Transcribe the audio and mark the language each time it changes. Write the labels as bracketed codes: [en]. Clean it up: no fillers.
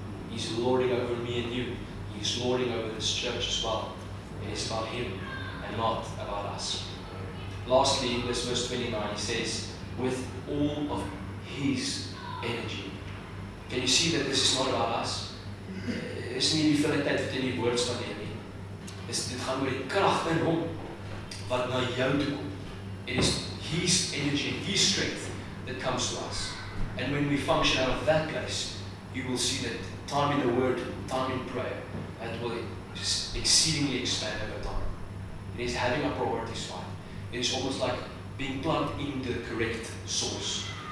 [en] He's lording over me and you. He's lording over this church as well. And it's about Him and not about us. Lastly, in this verse 29, he says, with all of his energy. Can you see that this is not about us? [af] is nie die finiteit wat in die woord staan nie. Dit gaan oor die krag in hom wat na jou toe kom. [en] It is his energy, his strength that comes to us. And when we function out of that place, you will see that time in the word, time in prayer, that will exceedingly expand over time. It is having our priorities right. It is almost like being plugged in the correct source.